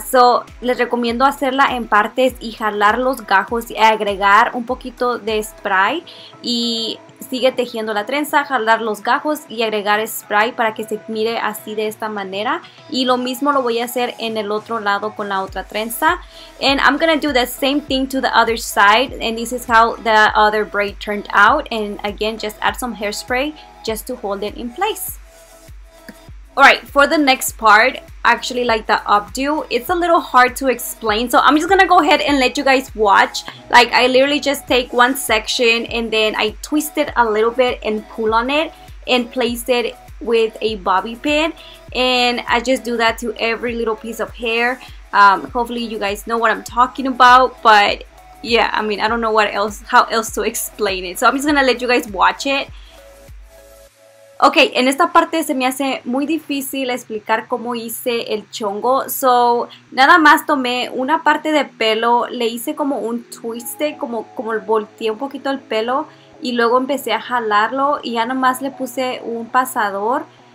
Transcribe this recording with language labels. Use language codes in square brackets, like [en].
[es] So, les recomiendo hacerla en partes y jalar los gajos y agregar un poquito de spray y sigue tejiendo la trenza, jalar los gajos y agregar spray para que se mire así de esta manera. Y lo mismo lo voy a hacer en el otro lado con la otra trenza. [en] And I'm gonna do the same thing to the other side. And this is how the other braid turned out. And again, just add some hairspray just to hold it in place. Alright, for the next part, actually like the updo, it's a little hard to explain, so I'm just gonna go ahead and let you guys watch. Like, I literally just take one section and then I twist it a little bit and pull on it and place it with a bobby pin. And I just do that to every little piece of hair. Hopefully you guys know what I'm talking about, but yeah, I mean, I don't know what else, how else to explain it. So I'm just gonna let you guys watch it. [es] Ok, en esta parte se me hace muy difícil explicar cómo hice el chongo. So, nada más tomé una parte de pelo, le hice como un twiste, como volteé un poquito el pelo y luego empecé a jalarlo y ya nomás le puse un pasador.